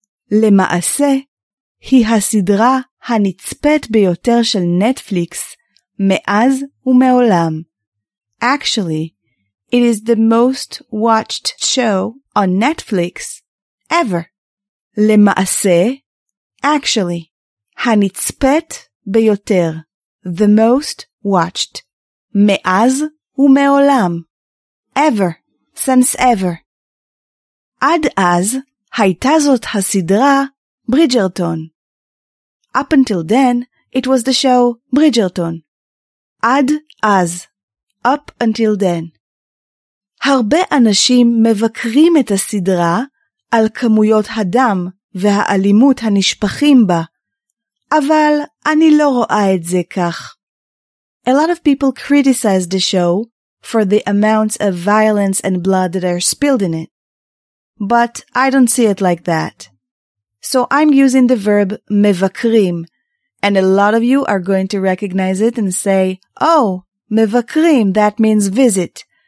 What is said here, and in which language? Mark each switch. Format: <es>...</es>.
<he>Lema'ase hi hasidra הנצפית ביותר של נטפליקס מאז ומעולם.</he> <en>Actually, it is the most watched show on Netflix ever.</en> <he>למעשה,</he> <en>actually,</en> <he>הנצפית ביותר,</he> <en>the most watched,</en> <he>מאז ומעולם,</he> <en>ever, since ever.</en> <he>עד אז הייתה זאת הסדרה בריג'רטון.</he> <en>Up until then, it was the show Bridgerton.</en> <he>Ad az.</he> <en>Up until then.</en> <he>הרבה אנשים מבקרים את הסדרה על כמויות הדם והאלימות הנשפחים בה, אבל אני לא רואה את זה כך.</he> <en>A lot of people criticize the show for the amounts of violence and blood that are spilled in it. But I don't see it like that. So I'm using the verb מבקרים, and a lot of you are going to recognize it and say, oh, מבקרים, that means visit.</en>